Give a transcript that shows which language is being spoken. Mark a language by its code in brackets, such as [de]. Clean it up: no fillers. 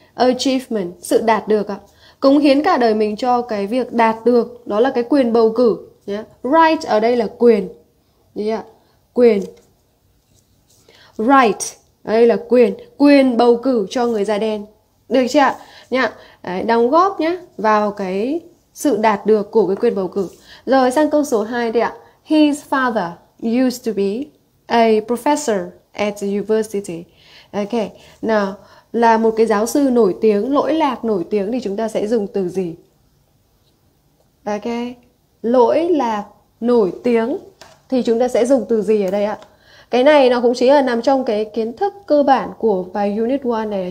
[vi] Achievement, sự đạt được ạ. Cống hiến cả đời mình cho cái việc đạt được, đó là cái quyền bầu cử nhé. Right ở đây là quyền. Quyền. Right, ở đây là quyền. Quyền bầu cử cho người da đen. Được chưa ạ? Đấy, đóng góp nhé vào cái sự đạt được của cái quyền bầu cử. Rồi sang câu số 2 đi ạ. [en] His father used to be a professor at the university. [vi] Ok, nào, là một cái giáo sư nổi tiếng, lỗi lạc nổi tiếng thì chúng ta sẽ dùng từ gì? Ok, lỗi lạc nổi tiếng thì chúng ta sẽ dùng từ gì ở đây ạ? Cái này nó cũng chỉ là nằm trong cái kiến thức cơ bản của bài Unit 1 này.